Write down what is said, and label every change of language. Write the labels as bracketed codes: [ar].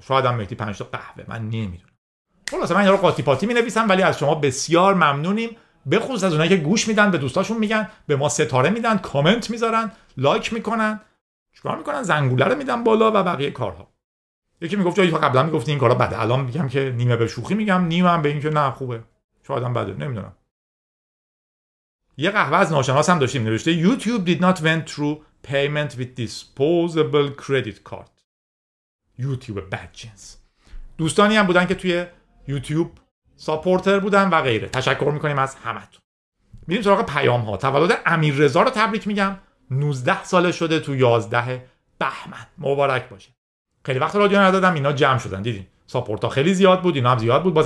[fa] شاید هم مهدی 5 تا قهوه، من نمیدونم. خلاصه من اینا رو قاطی پاتی مینویسم، ولی از شما بسیار ممنونیم، به خصوص از اونایی که گوش میدن، به دوستاشون میگن، به ما ستاره میدن، کامنت میذارن، لایک میکنن، چیکار میکنن، زنگوله رو میدن بالا و بقیه کارها. یکی میگفت جایی تو قبلا میگفتی این کارا بده، الان میگم که نیمه به شوخی میگم، نیمه هم به اینکه نه خوبه، شاید هم بده، نمیدونم. یه قهوه از ناشناس هم داشتیم، نوشته [en] YouTube did not went through payment with disposable credit card. YouTube bad jeans. [fa] دوستانی هم بودن که توی یوتیوب ساپورتر بودن و غیره. تشکر میکنیم از همتون. میریم سراغ پیام ها. تولد امیررضا رو تبریک میگم. 19 ساله شده تو 11 بهمن. مبارک باشه. خیلی وقت رادیو ندادم، اینا جمع شدن، دیدین. ساپورت ها خیلی زیاد بود، اینا هم زیاد بود.